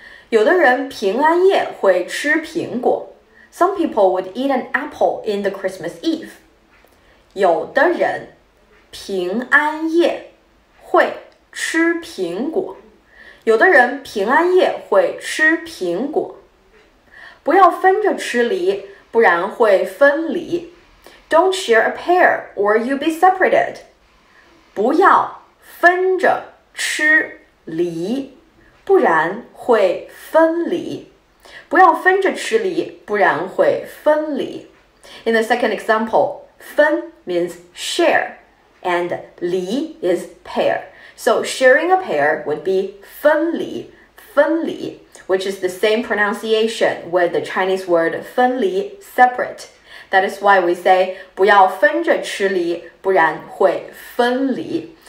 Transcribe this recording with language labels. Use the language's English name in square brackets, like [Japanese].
[Chinese] 有的人平安夜会吃苹果。 [English] Some people would eat an apple in the Christmas Eve. [Chinese] 有的人平安夜会吃苹果。有的人平安夜会吃苹果。不要分着吃梨，不然会分离。 [English] Don't share a pear or you'll be separated. [Chinese] 不要分着吃梨，不然会分离。不要分着吃梨，不然会分离。 [English] In the second example, 分 means share, and 梨 is pear. So sharing a pear would be 分离, which is the same pronunciation with the Chinese word 分离, separate. That is why we say [Chinese] 不要分着吃梨，不然会分离.